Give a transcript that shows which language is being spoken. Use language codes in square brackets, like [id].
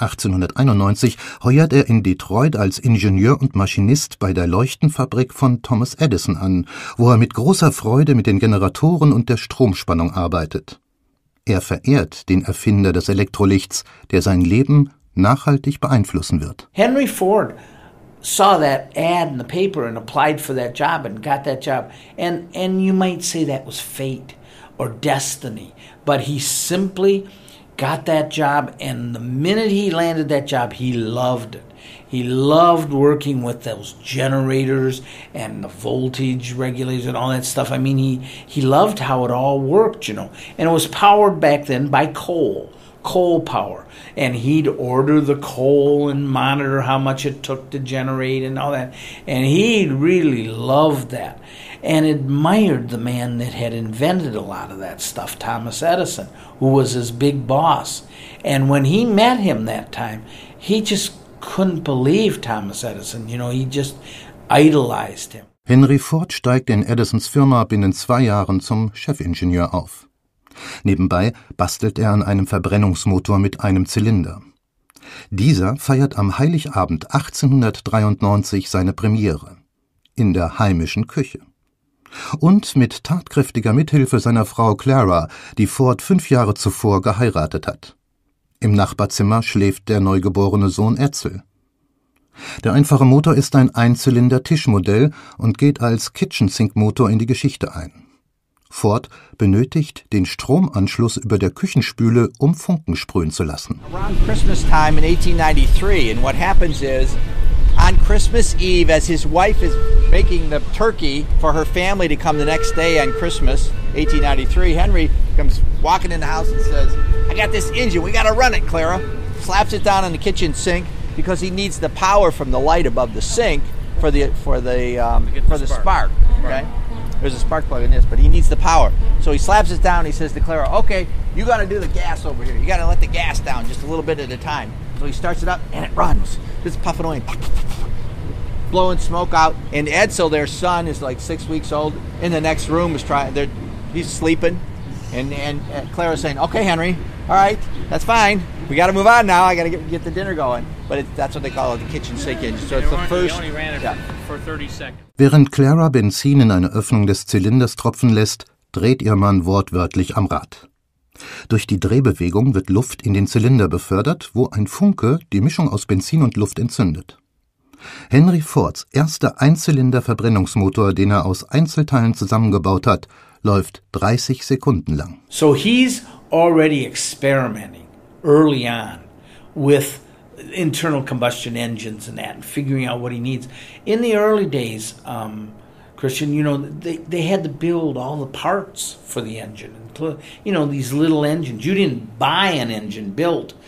[de] 1891 heuert er in Detroit als Ingenieur und Maschinist bei der Leuchtenfabrik von Thomas Edison an, wo er mit großer Freude mit den Generatoren und der Stromspannung arbeitet. Er verehrt den Erfinder des Elektrolichts, der sein Leben nachhaltig beeinflussen wird. [en] Henry Ford saw that ad in the paper and applied for that job and got that job. And you might say that was fate or destiny, but he simply got that job, and the minute he landed that job, he loved it. He loved working with those generators and the voltage regulators and all that stuff. I mean, he loved how it all worked, you know. And it was powered back then by coal power. And he'd order the coal and monitor how much it took to generate and all that. And he really loved that and admired the man that had invented a lot of that stuff, Thomas Edison, who was his big boss. And when he met him that time, he just couldn't believe Thomas Edison. You know, he just idolized him. [de] Henry Ford steigt in Edisons Firma binnen zwei Jahren zum Chefingenieur auf. Nebenbei bastelt er an einem Verbrennungsmotor mit einem Zylinder. Dieser feiert am Heiligabend 1893 seine Premiere. In der heimischen Küche. Und mit tatkräftiger Mithilfe seiner Frau Clara, die Ford fünf Jahre zuvor geheiratet hat. Im Nachbarzimmer schläft der neugeborene Sohn Edsel. Der einfache Motor ist ein Einzylinder-Tischmodell und geht als Kitchen-Sink-Motor in die Geschichte ein. Ford benötigt den Stromanschluss über der Küchenspüle, um Funken sprühen zu lassen. [en] Around Christmas time in 1893, and what happens is, on Christmas Eve, as his wife is making the turkey for her family to come the next day on Christmas, 1893, Henry comes walking in the house and says, I got this engine, we gotta run it, Clara. Slaps it down in the kitchen sink because he needs the power from the light above the sink for the spark. Okay? There's a spark plug in this, but he needs the power. So he slaps it down, he says to Clara, okay, you gotta do the gas over here. You gotta let the gas down just a little bit at a time. So he starts it up and it runs. It's puffing away, blowing smoke out. And Edsel, their son, is like 6 weeks old, in the next room is trying, he's sleeping. And Clara's saying, okay, Henry, all right, that's fine. We got to move on now. I got to get the dinner going. But that's what they call it, the kitchen sink engine. So it's the first. They only ran it for 30 seconds. [de] Während Clara Benzin in eine Öffnung des Zylinders tropfen lässt, dreht ihr Mann wortwörtlich am Rad. Durch die Drehbewegung wird Luft in den Zylinder befördert, wo ein Funke die Mischung aus Benzin und Luft entzündet. Henry Fords erster Einzylinder-Verbrennungsmotor, den er aus Einzelteilen zusammengebaut hat, läuft 30 Sekunden lang. [en] So he's already experimenting early on with internal combustion engines and that, and figuring out what he needs. In the early days, Christian, you know, they had to build all the parts for the engine. You know, these little engines. You didn't buy an engine built.